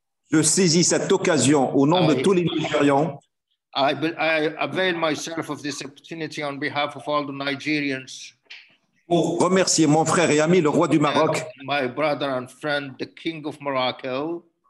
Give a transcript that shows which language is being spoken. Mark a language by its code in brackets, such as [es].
[fr] Je saisis cette occasion au nom de tous les Nigérians. [en] I avail myself of this opportunity on behalf of all the Nigerians. [fr] Pour remercier mon frère et ami, le roi du Maroc, [en] my brother and friend, the King of Morocco,